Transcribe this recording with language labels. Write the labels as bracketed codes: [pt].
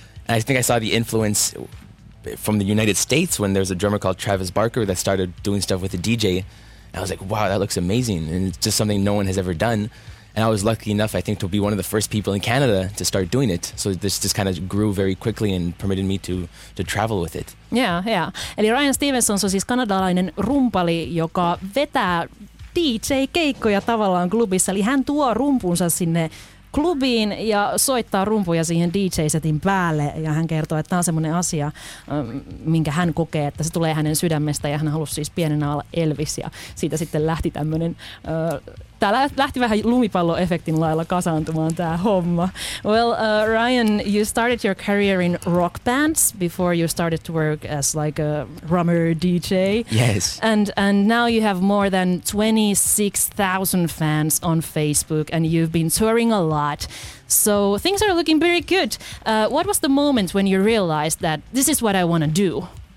[en] And I think I saw the influence from the United States when there's a drummer called Travis Barker that started doing stuff with a DJ. I was like, wow, that looks amazing. And it's just something no one has ever done. And I was lucky enough, I think, to be one of the first people in Canada to start doing it. So this just kind of grew very quickly and permitted me to travel with it. Yeah, yeah. [fi] Eli Ryan Stevenson on siis kanadalainen rumpali, joka vetää DJ-keikkoja tavallaan klubissa. Eli hän tuo rumpunsa sinne klubiin ja soittaa rumpuja siihen DJ-setin päälle. Ja hän kertoo, että tämä on semmoinen asia, minkä hän kokee, että se tulee hänen sydämestä. Ja hän halusi siis pienenä olla Elvis. Ja siitä sitten lähti tämmöinen, tämä lähti vähän lumipalloefektin lailla kasaantumaan tämä homma. [en] Well, Ryan, you started your career in rock bands before you started to work as like a drummer DJ. Yes. And now you have more than 26,000 fans on Facebook and you've been touring a lot. So things are looking very good. What was the moment when you realized that this is what I want to do?